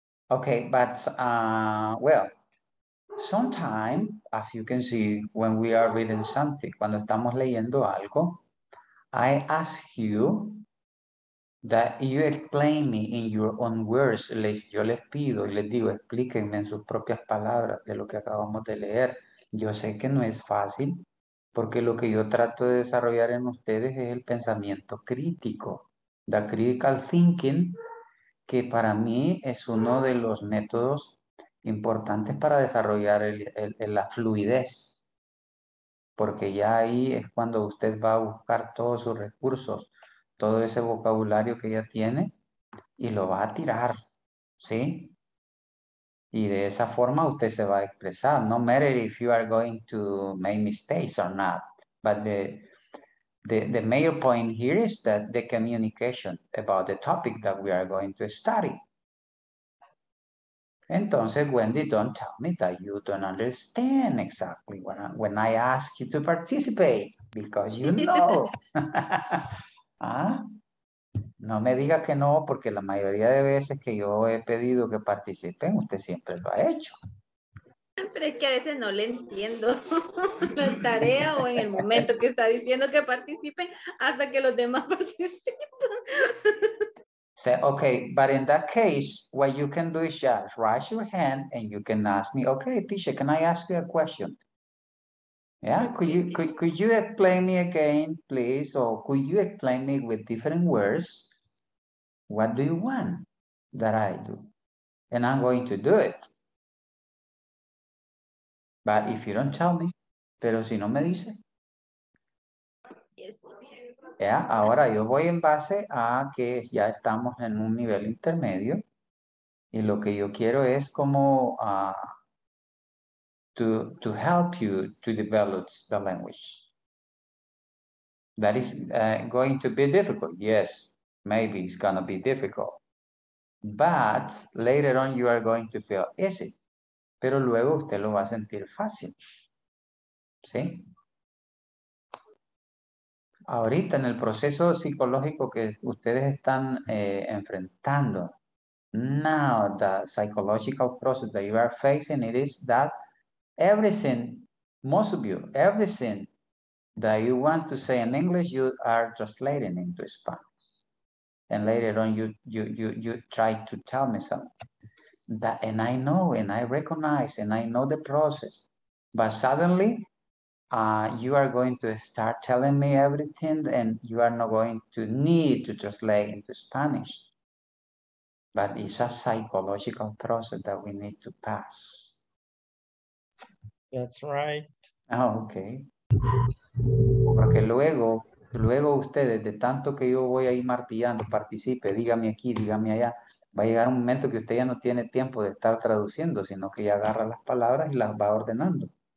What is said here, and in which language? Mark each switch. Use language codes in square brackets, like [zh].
[en] Okay, but well, sometimes, as you can see, when we are reading something, [es] cuando estamos leyendo algo, [en] I ask you that you explain me in your own words. [es] Yo les pido y les digo, explíquenme en sus propias palabras de lo que acabamos de leer. Yo sé que no es fácil, porque lo que yo trato de desarrollar en ustedes es el pensamiento crítico, [en] the critical thinking, [es] que para mí es uno de los métodos importantes para desarrollar la fluidez, porque ya ahí es cuando usted va a buscar todos sus recursos, todo ese vocabulario que ya tiene, y lo va a tirar, ¿sí? Y de esa forma usted se va a expresar. [en] No matter if you are going to make mistakes or not. But the main point here is that the communication about the topic that we are going to study. [es] Entonces, [en] Wendy, don't tell me that you don't understand exactly when I ask you to participate, because you know. [es] ¿Ah? No me diga que no, porque la mayoría de veces que yo he pedido que participen, usted siempre lo ha hecho. Pero es que a veces no le entiendo la tarea o en el momento que está diciendo que participen hasta que los demás participen. [en] So, okay, but in that case, what you can do is just raise your hand and you can ask me, okay, teacher, can I ask you a question? Yeah, could you explain me again, please? Or could you explain me with different words? What do you want that I do? And I'm going to do it. But if you don't tell me, [es] pero si no me dice. [en] Yes. [es] Yeah, ahora yo voy en base a que ya estamos en un nivel intermedio y lo que yo quiero es como [en] to help you to develop the language. That is going to be difficult. Yes, maybe it's going to be difficult. But later on you are going to feel easy. [es] Pero luego usted lo va a sentir fácil. ¿Sí? Ahorita en el proceso psicológico que ustedes están enfrentando, [en] now the psychological process that you are facing, it is that everything, most of you, everything that you want to say in English, you are translating into Spanish. And later on, you try to tell me something. That, and I know, and I recognize, and I know the process, but suddenly, you are going to start telling me everything and you are not going to need to translate into Spanish. But it's a psychological process that we need to pass. That's right. Okay. [es] Porque luego ustedes, de tanto que yo voy ahí martillando, participe, dígame aquí, dígame allá, va a llegar un momento que usted ya no tiene tiempo de estar traduciendo, sino que ya agarra las palabras y las va ordenando.